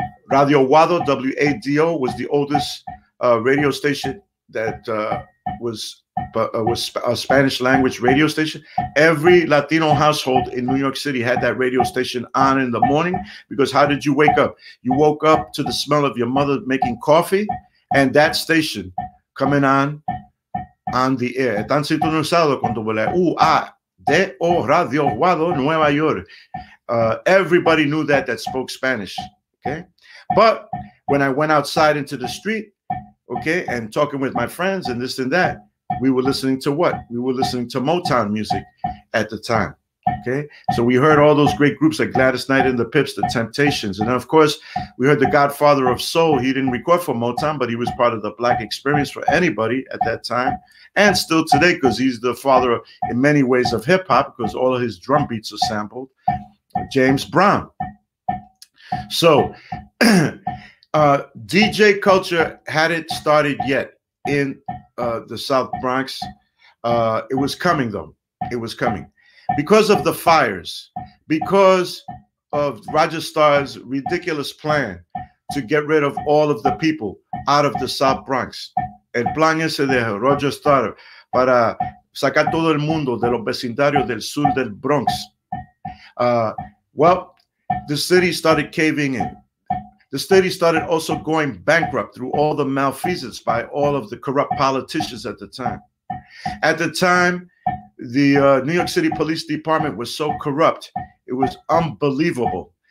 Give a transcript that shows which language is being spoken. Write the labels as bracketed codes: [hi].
[en] Radio Wado, WADO, was the oldest radio station that was a Spanish language radio station. Every Latino household in New York City had that radio station on in the morning, because how did you wake up? You woke up to the smell of your mother making coffee and that station coming on the air. [es] Están sintonizados con WADO, Radio Wado, Nueva York. [en] Everybody knew that spoke Spanish. Okay. But when I went outside into the street, okay, and talking with my friends and this and that, we were listening to what? We were listening to Motown music at the time, okay? So we heard all those great groups like Gladys Knight and the Pips, the Temptations. And, of course, we heard the Godfather of Soul. He didn't record for Motown, but he was part of the Black experience for anybody at that time. And still today, because he's the father of, in many ways, of hip-hop, because all of his drum beats are sampled, James Brown. So DJ culture hadn't started yet in the South Bronx. It was coming, though. It was coming. Because of the fires, because of Roger Starr's ridiculous plan to get rid of all of the people out of the South Bronx. [es] El plan ese de Roger Starr para sacar todo el mundo de los vecindarios del sur del Bronx. [en] Well, the city started caving in. The city started also going bankrupt through all the malfeasance by all of the corrupt politicians at the time. At the time, the New York City Police Department was so corrupt, it was unbelievable.